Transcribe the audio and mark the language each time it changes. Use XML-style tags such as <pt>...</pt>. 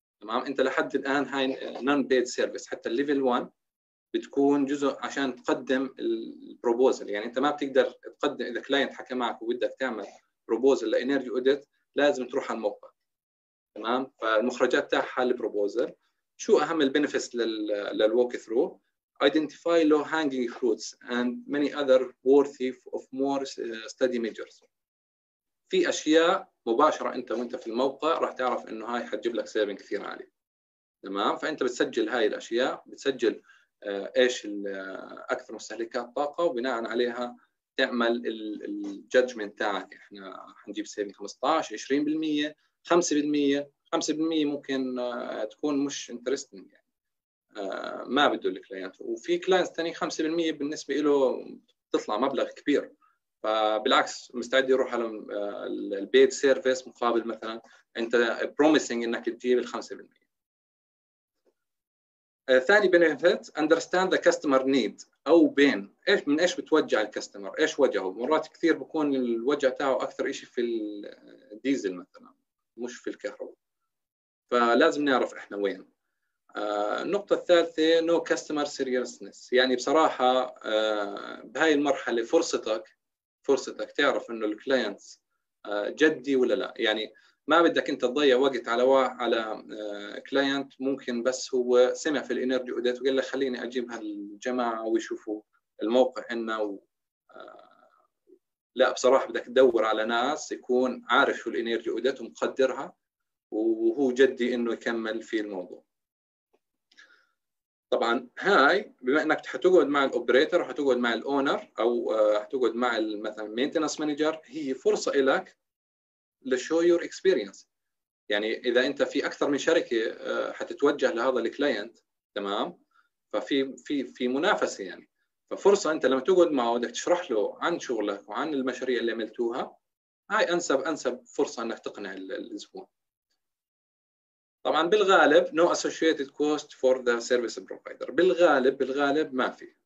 <ar>تمام، أنت لحد الآن هاي نون بيد سيرفيس، حتى الليفل 1 بتكون جزء عشان تقدم البروبوزل. يعني أنت ما بتقدر تقدم، إذا كلاينت حكى معك وبدك تعمل بروبوزل لإنرجي أوديت لازم تروح على الموقع. تمام، فالمخرجات تاعها البروبوزل. شو أهم البنفيتس للووك ثرو؟</ar> <en>Identify low hanging fruits and many other worthy of more study majors.</en> <ar>في أشياء مباشرة أنت وأنت في الموقع راح تعرف إنه هاي حتجيب لك سيفين كثير عالي. تمام، فأنت بتسجل هاي الأشياء، بتسجل إيش أكثر مستهلكات طاقة، وبناء عليها تعمل الجادجمنت تاعك. إحنا حنجيب سيفين 15-20% 5%. ممكن تكون مش انترستنج، يعني ما بده الكلاينت، وفي كلاينت ثاني 5% بالنسبة له تطلع مبلغ كبير، فبالعكس مستعد يروح على البيت سيرفيس مقابل مثلا انت بروميسنج انك تجيب ال 5%. ثاني بنفيت، اندرستاند ذا كاستمر نيد، او بين ايش من ايش بتوجع الكاستمر، ايش وجعه. مرات كثير بكون الوجع تاعه اكثر شيء في الديزل مثلا مش في الكهرباء، فلازم نعرف احنا وين. النقطة الثالثة،</ar> <en>no customer seriousness.</en> <ar>يعني بصراحة بهاي المرحلة فرصتك تعرف انه الكلاينت جدي ولا لا. يعني ما بدك انت تضيع وقت على كلاينت ممكن بس هو سمع في الانرجي اوديت وقال لك خليني اجيب هالجماعة ويشوفوا الموقع عندنا. لا بصراحة بدك تدور على ناس يكون عارف شو الانرجي اوديت ومقدرها وهو جدي انه يكمل في الموضوع. طبعا هاي بما انك حتقعد مع الاوبريتر وحتقعد مع الاونر او حتقعد مع مثلا مينتنس مانجر، هي فرصه لك لشو يور اكسبيرينس. يعني اذا انت في اكثر من شركه حتتوجه لهذا الكلاينت، تمام، ففي في في منافسه يعني. ففرصه انت لما تقعد معه بدك تشرح له عن شغلك وعن المشاريع اللي عملتوها، هاي انسب فرصه انك تقنع الزبون. طبعا بالغالب</ar> <en>no associated cost for the service provider،</en> <ar>بالغالب ما في.</ar>